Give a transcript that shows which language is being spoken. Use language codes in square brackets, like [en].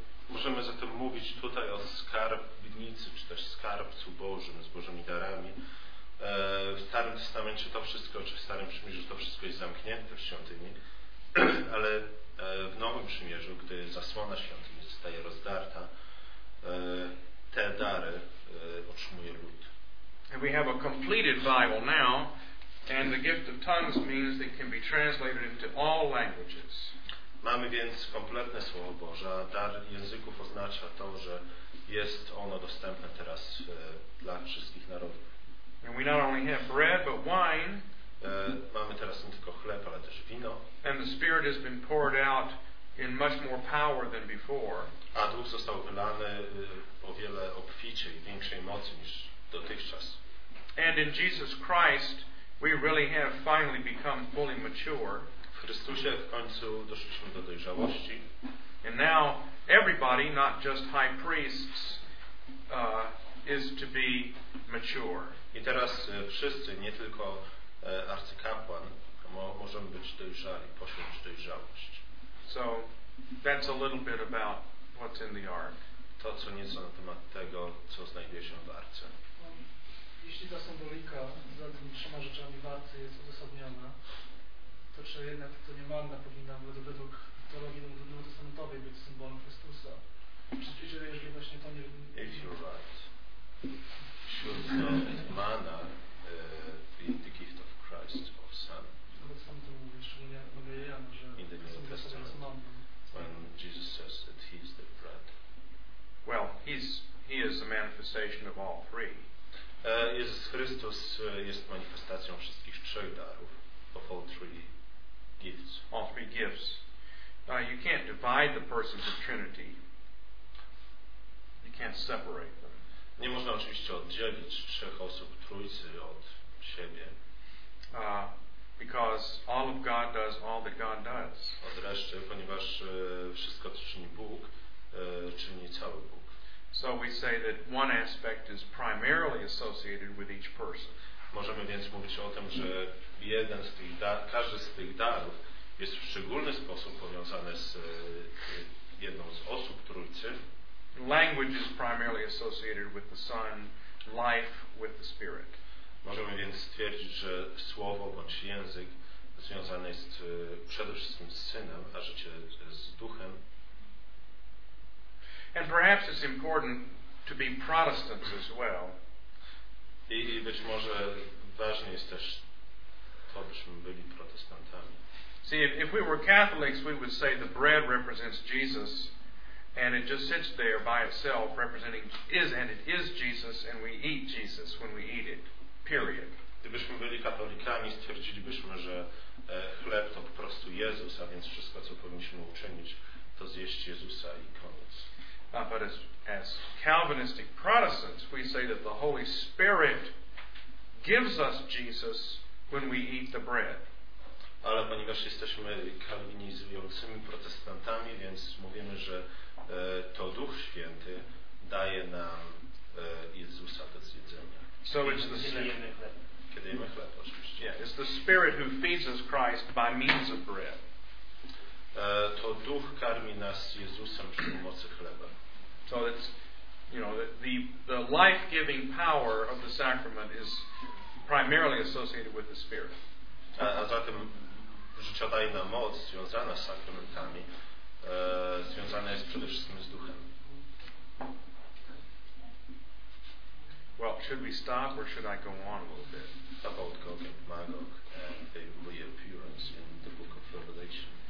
[pl] Możemy zatem mówić tutaj o skarbnicy, czy też skarbcu Bożym, z Bożymi darami. W Starym Testamencie to wszystko, czy w Starym Przymierzu to wszystko jest zamknięte w świątyni, ale w Nowym Przymierzu, gdy zasłona świątyni zostaje rozdarta, te dary otrzymuje lud. [en] And we have a completed Bible now, and the gift of tongues means it can be translated into all languages. [pl] Mamy więc kompletne Słowo Boże, a dar języków oznacza to, że jest ono dostępne teraz dla wszystkich narodów. [en] And we not only have bread, but wine. [pl] Mamy teraz nie tylko chleb, ale też wino. [en] And the Spirit has been poured out in much more power than before. [pl] A Duch został wylany o wiele obficiej, większej mocy niż dotychczas. [en] And in Jesus Christ, we really have finally become fully mature. [pl] W Chrystusie w końcu doszliśmy do dojrzałości. [en] And now everybody, not just high priests, is to be mature. [pl] I teraz wszyscy, nie tylko arcykapłan, możemy być dojrzali, posiąść dojrzałość. [en] So that's a little bit about what's in the ark. [pl] To co nieco na temat tego, co znajduje się w arce. Jeśli ta symbolika za tymi trzema rzeczami w arce jest uzasadniona, to czy jednak to niemalna powinna według teologii nowotestamentowej być symbolem Chrystusa? Czy jeżeli właśnie to nie... [en] If you're right. Should not mana be the gift of Christ or Son. [pl] Sam to mówię, szczególnie mówię Jan, że [en] in the New Testament, when Jesus says that he is the bread. Well, he is the manifestation of all three. [pl] Jezus Chrystus jest manifestacją wszystkich trzech darów, [en] of all three gifts. All three gifts. You can't divide the persons of Trinity. You can't separate them. [pl] Nie można oczywiście oddzielić trzech osób Trójcy od siebie. [en] Because all of God does all that God does. [pl] Odreszcie, ponieważ wszystko, co czyni Bóg, czyni cały Bóg. [en] So we say that one aspect is primarily associated with each person. [pl] Możemy więc mówić o tym, że jeden z tych każdy z tych darów jest w szczególny sposób powiązany z jedną z osób Trójcy. [en] Language is primarily associated with the Son, life with the Spirit. [pl] Możemy więc stwierdzić, że słowo bądź język związany jest przede wszystkim z Synem, a życie z Duchem. [en] And perhaps it's important to be Protestants as well. [pl] I być może ważne jest też to, byśmy byli protestantami. [en] See, if we were Catholics, we would say the bread represents Jesus. And it just sits there by itself, representing is and it is Jesus, and we eat Jesus when we eat it. Period. [pl] Gdybyśmy byli katolikami, stwierdzilibyśmy, że chleb to po prostu Jezus, a więc wszystko, co powinniśmy uczynić, to zjeść Jezusa i koniec. [en] But as Calvinistic Protestants, we say that the Holy Spirit gives us Jesus when we eat the bread. [pl] Ale ponieważ jesteśmy kalwinizującymi protestantami, więc mówimy, że to Duch Święty daje nam Jezusa do zjedzenia. [en] So it's the [pl] kiedy jemy chleb, oczywiście. [en] Yeah, it's the Spirit who feeds us Christ by means of bread. [pl] To Duch karmi nas Jezusem przy pomocy chleba. [en] So it's, you know, the life-giving power of the sacrament is primarily associated with the Spirit. [pl] A zatem życiodajna moc związana z sakramentami związana jest przede wszystkim z Duchem. [en] Well, should we stop or should I go on a little bit? About Gog and Magog and the reappearance in the Book of Revelation.